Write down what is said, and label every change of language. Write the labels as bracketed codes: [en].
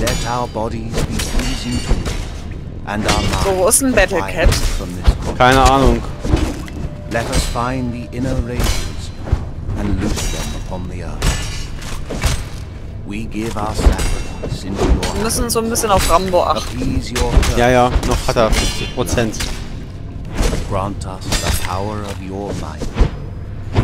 [en] Let our bodies be pleasing to you. And our minds. [de] Wo ist ein Battle Cat? Keine Ahnung. [en] Let us find the inner races and loose them upon the earth. We give our sacrifice into your [de] hands. Wir müssen so ein bisschen auf Rambo achten. Ja, ja, noch hat er 50%. [en] Grant us the power of your might.